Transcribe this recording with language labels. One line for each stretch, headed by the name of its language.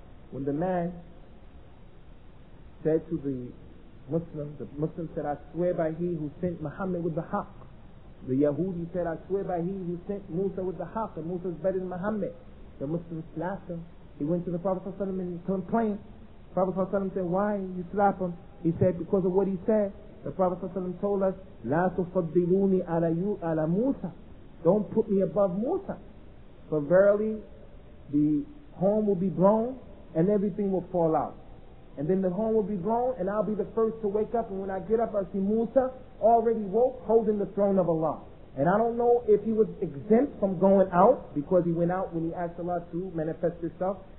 English: When the man said to the Muslim said, I swear by he who sent Muhammad with the haq. The Yahudi said, I swear by he who sent Musa with the haq, and Musa is better than Muhammad. The Muslim slapped him. He went to the Prophet ﷺ and complained. The Prophet ﷺ said, why you slap him? He said, because of what he said. The Prophet ﷺ told us,
Arabic: لا تفضلوني على يو على موسى.
English: Don't put me above Musa. For verily, the home will be blown and everything will fall out. And then the horn will be blown, and I'll be the first to wake up. And when I get up, I'll see Musa already woke, holding the throne of Allah. And I don't know if he was exempt from going out, because he went out when he asked Allah to manifest himself.